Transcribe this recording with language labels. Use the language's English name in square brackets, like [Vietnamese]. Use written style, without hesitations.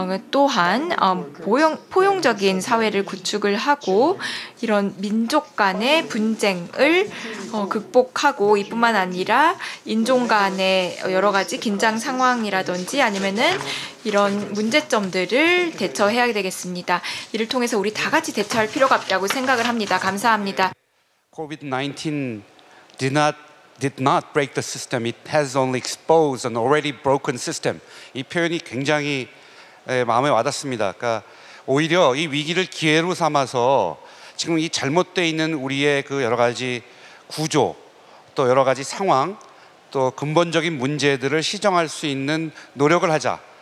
[Korean] 또한 포용적인 사회를 구축을 하고 이런 민족 간의 분쟁을 극복하고 이뿐만 아니라 인종 간의 여러 가지 긴장 상황이라든지 아니면은 이런 문제점들을 대처해야 되겠습니다. 이를 통해서 우리 다 같이 대처할 필요가 있다고 생각을 합니다. 감사합니다. [English] COVID-19 did not break the system. It has only exposed an already broken system. [Korean] 이 표현이 굉장히 마음에 와닿습니다. 그러니까 오히려 이 위기를 기회로 삼아서 지금 이 잘못돼 있는 우리의 그 여러 가지 구조 또 여러 가지 상황 또 근본적인 문제들을 시정할 수 있는 노력을 하자.